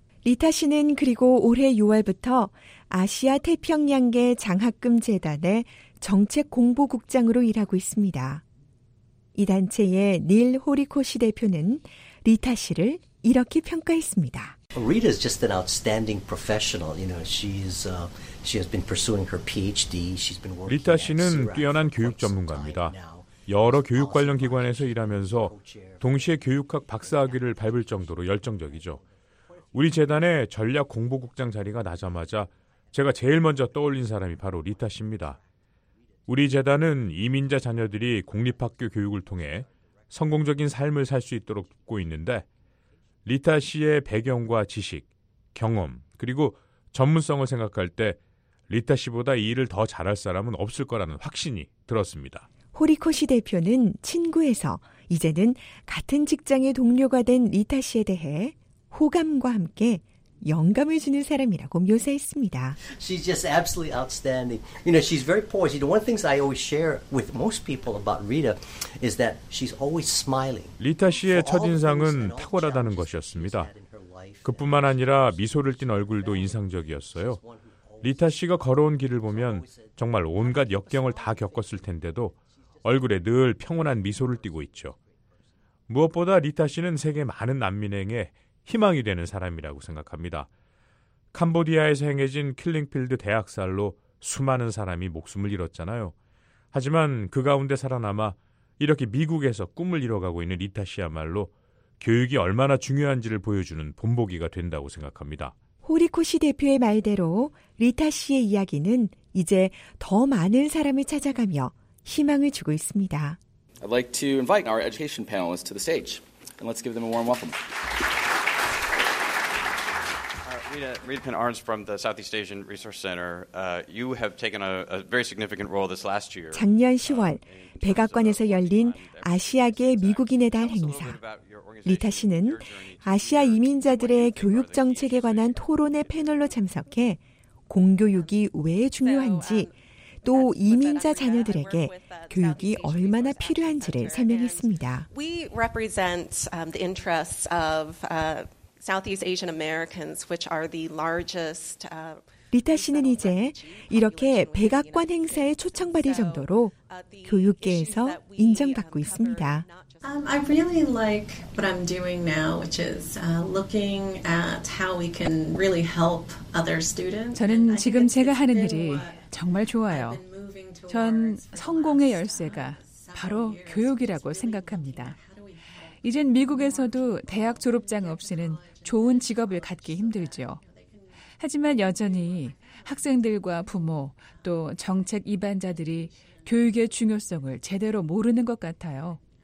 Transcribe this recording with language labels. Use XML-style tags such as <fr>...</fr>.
<ko>리타 씨는 그리고 올해 6월부터 아시아 태평양계 장학금 재단의 정책 공보국장으로 일하고 있습니다. 이 단체의 닐 호리코시 대표는 리타 씨를 이렇게 평가했습니다.</ko> <en>Rita is just an outstanding professional. You know, she has been pursuing her PhD. She's been working.</en> <ko>리타 씨는 뛰어난 교육 전문가입니다. 여러 교육 관련 기관에서 일하면서 동시에 교육학 박사학위를 밟을 정도로 열정적이죠. 우리 재단의 전략 공보국장 자리가 나자마자 제가 제일 먼저 떠올린 사람이 바로 리타 씨입니다. 우리 재단은 이민자 자녀들이 공립학교 교육을 통해 성공적인 삶을 살 수 있도록 돕고 있는데 리타 씨의 배경과 지식, 경험, 그리고 전문성을 생각할 때 리타 씨보다 이 일을 더 잘할 사람은 없을 거라는 확신이 들었습니다. 호리코시 대표는 친구에서 이제는 같은 직장의 동료가 된 리타 씨에 대해 호감과 함께 영감을 주는 사람이라고 묘사했습니다.</ko> <en>She's just absolutely outstanding. You know, she's very poised. You know, one thing I always share with most people about Rita is that she's always smiling.</en> <ko>리타 씨의 첫인상은 탁월하다는 것이었습니다. 그뿐만 아니라 미소를 띈 얼굴도 인상적이었어요. 리타 씨가 걸어온 길을 보면 정말 온갖 역경을 다 겪었을 텐데도 얼굴에 늘 평온한 미소를 띠고 있죠. 무엇보다 리타 씨는 세계 많은 난민에게 희망이 되는 사람이라고 생각합니다. 캄보디아에서 행해진 킬링필드 대학살로 수많은 사람이 목숨을 잃었잖아요. 하지만 그 가운데 살아남아 이렇게 미국에서 꿈을 이뤄가고 있는 리타 씨야말로 교육이 얼마나 중요한지를 보여주는 본보기가 된다고 생각합니다. 호리코시 대표의 말대로 리타 씨의 이야기는 이제 더 많은 사람을 찾아가며 희망을 주고 있습니다.</ko> <en>I'd like to invite our education panelists to the stage. And let's give them a warm welcome. Rita Penn Arns from the Southeast Asian Resource Center. You have taken a very significant role this last year.</en> <ko>작년 10월 백악관에서 열린 아시아계 미국인의 달 행사. 리타 씨는 아시아 이민자들의 교육 정책에 관한 토론의 패널로 참석해 공교육이 왜 중요한지 또 이민자 자녀들에게 교육이 얼마나 필요한지를 설명했습니다.</ko> <en>We represent the interests of Southeast Asian Americans, which are the largest.</en> <ko>리타 씨는 이제 이렇게 백악관 행사에 초청받을 정도로 교육계에서 인정받고 있습니다.</ko> <en>I really like what I'm doing now, which is looking at how we can really help other students.</en> <ko>저는 지금 제가 하는 일이 정말 좋아요. 전 성공의 열쇠가 바로 교육이라고 생각합니다. 이젠 미국에서도 대학 졸업장 없이는 좋은 직업을 갖기 힘들죠. 하지만 여전히 학생들과 부모 또 정책 이반자들이 교육의 중요성을 제대로 모르는 것 같아요.</ko>